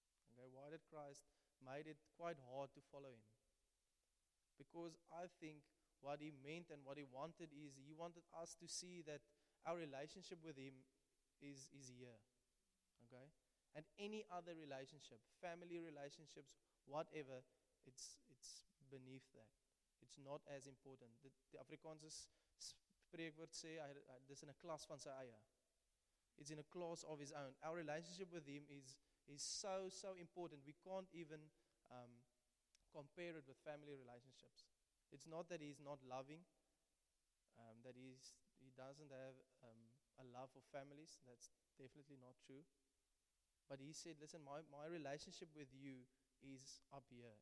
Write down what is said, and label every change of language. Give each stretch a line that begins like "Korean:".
English: Okay, why did Christ made it quite hard to follow him? Because I think what he meant and what he wanted is he wanted us to see that our relationship with him is here. Okay? And any other relationship, family relationships, whatever, it's beneath that. It's not as important.
Afrikaans: The Afrikaans spreekwoord sê, dis in 'n klas van sy eie.
English: It's in a class of his own. Our relationship with him is so, so important. We can't even compare it with family relationships. It's not that he's not loving, that he doesn't have a love for families. That's definitely not true. But he said, listen, my relationship with you is up here.